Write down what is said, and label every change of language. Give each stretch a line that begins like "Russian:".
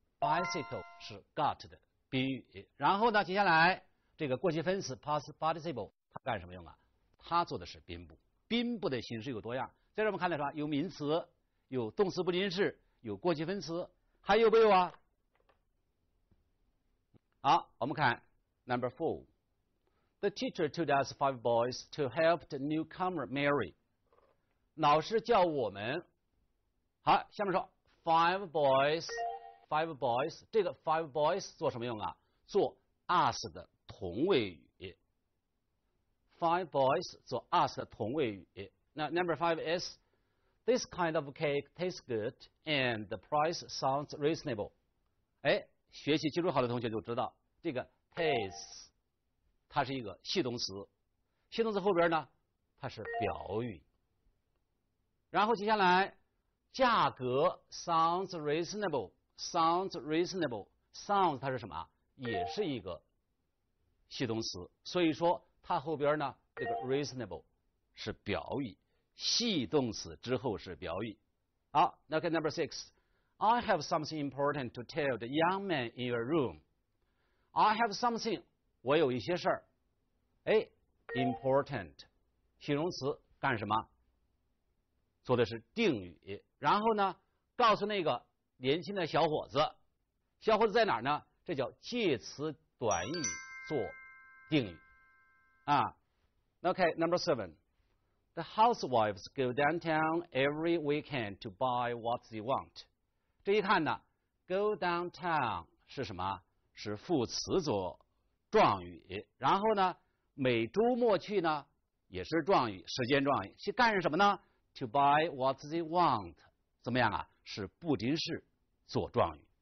Chinese: Bicycle 是 got 的宾语。然后呢，接下来这个过去分词 past participle 它干什么用啊？它做的是宾补。宾补的形式有多样？在这我们看来说，有名词，有动词不定式，有过去分词，还有没有啊？好，我们看。
English: Number four, the teacher told us five boys to help the newcomer Mary.
Chinese: 老师叫我们，好，下面说 five boys， 这个 five boys 做什么用啊？做 us 的同位语。Five boys 做 us 的同位语。
English: 那 number five is this kind of cake tastes good and the price sounds reasonable.
Chinese: 哎，学习基础好的同学就知道这个。Taste， 它是一个系动词，形容词后边呢，它是表语。然后接下来，价格 sounds reasonable， sounds reasonable， sounds 它是什么？也是一个系动词，所以说它后边呢，这个 reasonable 是表语，系动词之后是表语。
English: 好，那看 number six， I have something important to tell the young man in your room。
Chinese: I have something，我有一些事儿。哎 ，important， 形容词干什么？做的是定语，然后呢，告诉那个年轻的小伙子，小伙子在哪儿呢？这叫介词短语做定语啊。
English: Okay, number seven, the housewives go downtown every weekend to buy what they want。
Chinese: 这一看呢 ，go downtown 是什么？是副词做状语，然后呢，每周末去呢也是状语，时间状语，去干什么呢？ To buy what they want，怎么样啊？是不定式做状语。